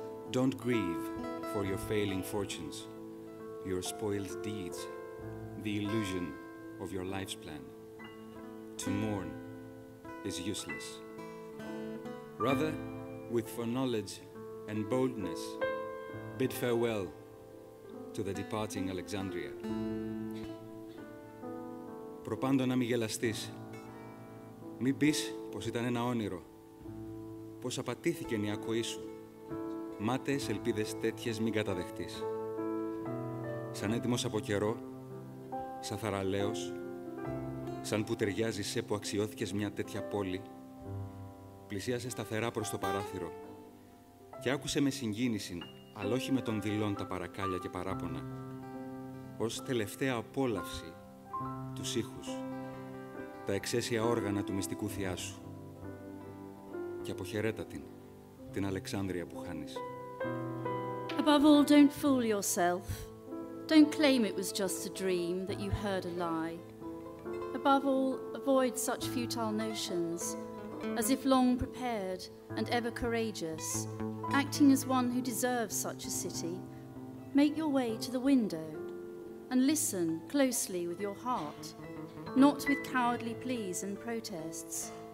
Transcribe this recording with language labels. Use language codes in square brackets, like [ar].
[en] Don't grieve for your failing fortunes, your spoiled deeds, the illusion of your life's plan. To mourn is useless. Rather, with foreknowledge and boldness, bid farewell to the departing Alexandria. [el] Προπάντο να μην γελαστείς. Μην πεις πως ήταν ένα όνειρο. Πως απατήθηκε η ακοή σου. Μάταιες ελπίδες τέτοιες μην καταδεχτείς. Σαν έτοιμος από καιρό, σαν θαραλέος, σαν που ταιριάζει σε που αξιώθηκες μια τέτοια πόλη, πλησίασε σταθερά προς το παράθυρο και άκουσε με συγκίνηση, αλλά όχι με τον δειλόν τα παρακάλια και παράπονα, ως τελευταία απόλαυση τους ήχους, τα εξαίσια όργανα του μυστικού θειάσου και αποχαιρέτα την Αλεξάνδρεια που χάνεις. [en] Above all, don't fool yourself. Don't claim it was just a dream, that you heard a lie. Above all, avoid such futile notions. As if long prepared and ever courageous, acting as one who deserves such a city, make your way to the window and listen closely with your heart, not with cowardly pleas and protests.